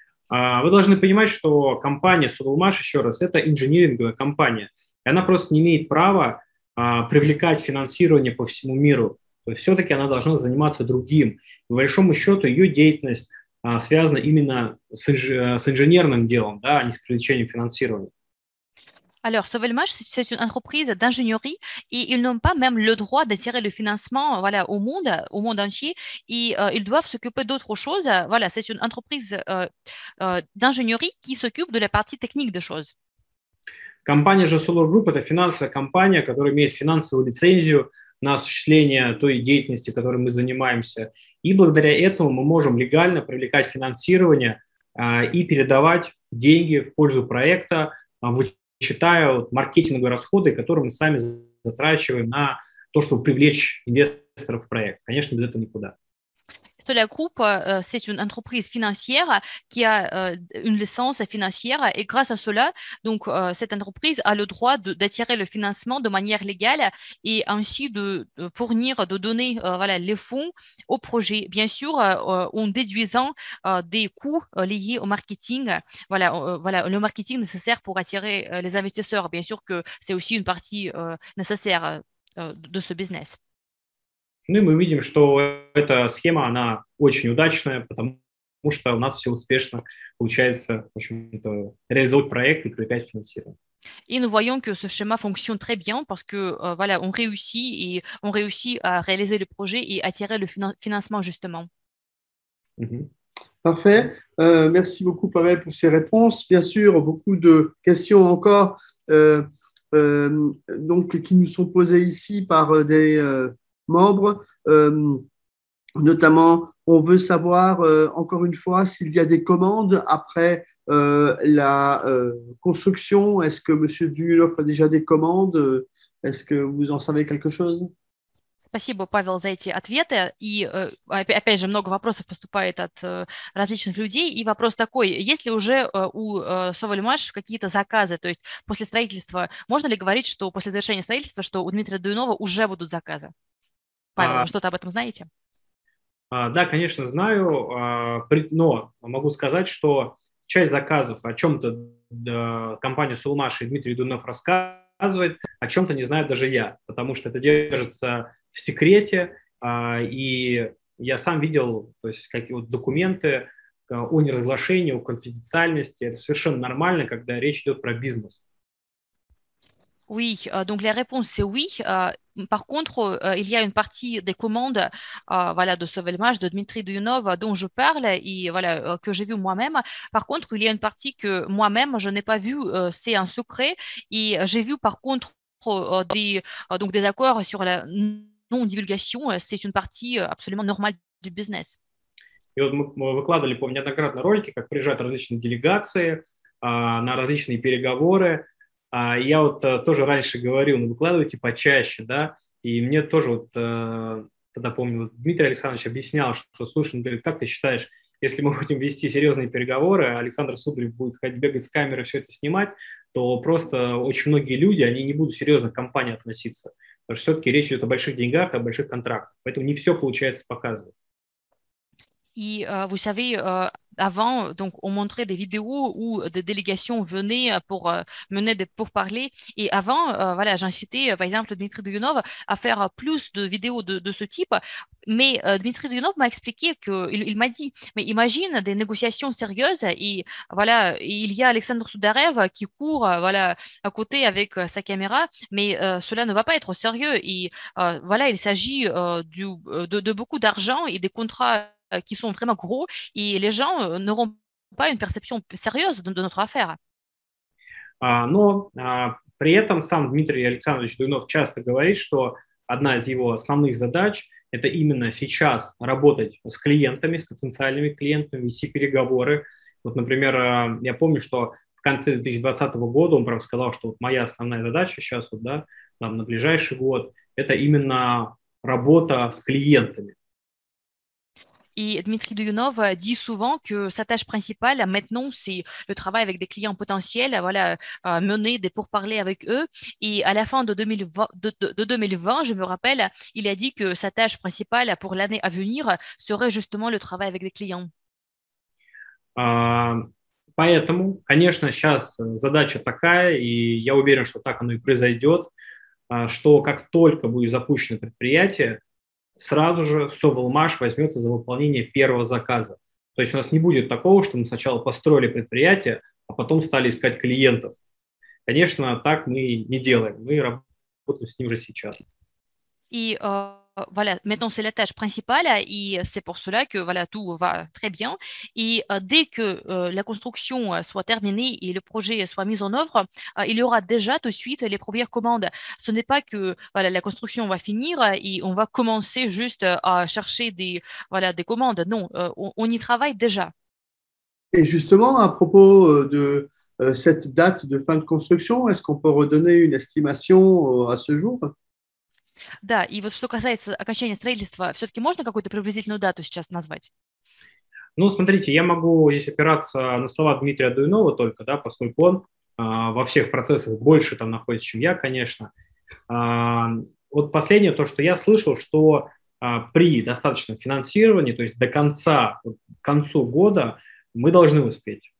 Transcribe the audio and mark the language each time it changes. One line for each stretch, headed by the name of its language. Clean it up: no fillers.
Russian: Вы должны понимать, что компания Sovelmash, еще раз, это инжиниринговая компания. И она просто не имеет права привлекать финансирование по всему миру. То есть все-таки она должна заниматься другим. По большому счету ее деятельность связана именно с инженерным делом, да, а не с привлечением финансирования.
French: Alors, Sovelmash, c'est une entreprise d'ingénierie et ils n'ont pas même le droit d'attirer le financement voilà, au monde entier, et ils doivent s'occuper d'autres choses. Voilà, c'est une entreprise d'ingénierie qui s'occupe de la partie technique des choses.
Russian: Компания же Solar Group – это финансовая компания, которая имеет финансовую лицензию на осуществление той деятельности, которой мы занимаемся. И благодаря этому мы можем легально привлекать финансирование и передавать деньги в пользу проекта, считая маркетинговые расходы, которые мы сами затрачиваем на то, чтобы привлечь инвесторов в проект. Конечно, без этого никуда.
French: Solar Group, c'est une entreprise financière qui a une licence financière, et grâce à cela, donc, cette entreprise a le droit d'attirer le financement de manière légale et ainsi de fournir, de donner voilà, les fonds au projet. Bien sûr, en déduisant des coûts liés au marketing, voilà, voilà, le marketing nécessaire pour attirer les investisseurs. Bien sûr que c'est aussi une partie nécessaire de ce business.
Russian: Ну и мы видим, что эта схема, она очень удачная, потому что у нас все успешно получается, в общем-то, реализовать проект и привлекать финансирование. И мы видим, что этот схема работает хорошо, потому что,
French: voilà, on réussit, и on réussit à réaliser le projet et attirer le financement, justement. Parfait. Merci beaucoup, Pavel, pour ces réponses. Bien sûr, beaucoup de questions encore donc, qui nous sont posées ici par des... membres, notamment, on veut savoir encore une fois s'il y a des commandes après la construction. Est-ce que Monsieur Dulov a déjà des commandes? Est-ce que vous en savez quelque chose?
Russian: Спасибо, Павел, за эти ответы. И опять же, много вопросов поступает от различных людей. И вопрос такой, есть ли уже у Sovelmash какие-то заказы? То есть после строительства, можно ли говорить, что после завершения строительства, что у Дмитрия Дуйнова уже будут заказы? Павел, вы что-то об этом знаете? Да, конечно, знаю, но могу сказать, что часть заказов, о чем-то компания Sovelmash и Дмитрий Дуйнов рассказывает, о чем-то не знаю даже я, потому что это держится в секрете, и я сам видел, то есть, какие-то документы о неразглашении, о конфиденциальности. Это совершенно нормально, когда речь идет про бизнес.
French: Oui, donc la réponse c'est oui. Par contre, il y a une partie des commandes, voilà, de Sauvelmash, de Dmitri Dounov, dont je parle et voilà que j'ai vu moi-même. Par contre, il y a une partie que moi-même je n'ai pas vue, c'est un secret. Et j'ai vu par contre donc des accords sur la non-divulgation. C'est une partie absolument normale du business.
Russian: И вот мы выкладывали, помню, неоднократно ролики, как приезжают различные делегации на различные переговоры. Я вот тоже раньше говорил, ну, выкладывайте почаще, да. И мне тоже вот тогда, помню, вот Дмитрий Александрович объяснял, что, слушай, ну, как ты считаешь, если мы будем вести серьезные переговоры, Александр Сударев будет ходить, бегать с камеры, все это снимать, то просто очень многие люди, они не будут серьезно к компании относиться. Потому что все-таки речь идет о больших деньгах, о больших контрактах. Поэтому не все получается показывать.
French: Et vous savez, avant, donc, on montrait des vidéos où des délégations venaient pour mener des pourparlers. Et avant, voilà, j'incitais, par exemple, Dmitri Dounov à faire plus de vidéos de ce type. Mais Dmitri Dounov m'a expliqué qu'il m'a dit, mais imagine des négociations sérieuses. Et voilà, il y a Alexandre Soudarev qui court, voilà, à côté avec sa caméra. Mais cela ne va pas être sérieux. Et voilà, il s'agit de beaucoup d'argent et des contrats qui sont vraiment gros et les gens n'auront pas une perception sérieuse de notre affaire.
Russian: Но при этом сам Дмитрий Александрович Дуйнов часто говорит, что одна из его основных задач – это именно сейчас работать с клиентами, с потенциальными клиентами, вести переговоры. Вот, например, я помню, что в конце 2020 года он прям сказал, что вот моя основная задача сейчас, вот, да, там, на ближайший год – это именно работа с клиентами.
French: Et Dmitri Dounov dit souvent que sa tâche principale maintenant, c'est le travail avec des clients potentiels, voilà, mener des pourparlers avec eux. Et à la fin de 2020, de 2020, je me rappelle, il a dit que sa tâche principale pour l'année à venir serait justement le travail avec des clients.
Russian: Поэтому, конечно, сейчас задача такая, и я уверен, что так оно и произойдет, что как только будет запущено предприятие, сразу же Совелмаш возьмется за выполнение первого заказа. То есть у нас не будет такого, что мы сначала построили предприятие, а потом стали искать клиентов. Конечно, так мы не делаем. Мы работаем с ним уже сейчас.
French: Et voilà, maintenant c'est la tâche principale et c'est pour cela que voilà, tout va très bien. Et dès que la construction soit terminée et le projet soit mis en œuvre, il y aura déjà tout de suite les premières commandes. Ce n'est pas que voilà, la construction va finir et on va commencer juste à chercher des, voilà, des commandes. Non, on y travaille déjà. Et justement, à propos de cette date de fin de construction, est-ce qu'on peut redonner une estimation à ce jour?
Russian: Да, и вот что касается окончания строительства, все-таки можно какую-то приблизительную дату сейчас назвать? Ну, смотрите, я могу здесь опираться на слова Дмитрия Дуйнова только, да, поскольку он во всех процессах больше там находится, чем я, конечно. Вот последнее, то, что я слышал, что при достаточном финансировании, то есть до конца, к концу года, мы должны успеть.